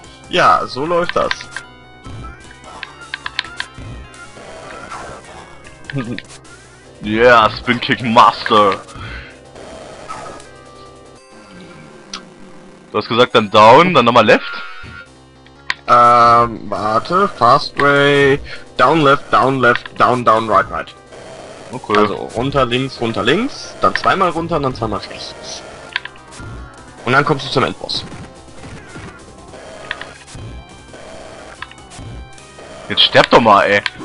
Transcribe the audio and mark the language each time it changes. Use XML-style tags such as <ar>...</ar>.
<de>Ja, so läuft das.</de> <en>Yeah, Spin Kick Master!</en> <de>Du hast gesagt, dann down, dann nochmal left? Warte,</de> <en>fast way, down left, down, down, right, right. Okay.</en> <de>Also, runter, links, dann zweimal runter und dann zweimal rechts. Und dann kommst du zum Endboss. Jetzt sterb doch mal, ey.</de>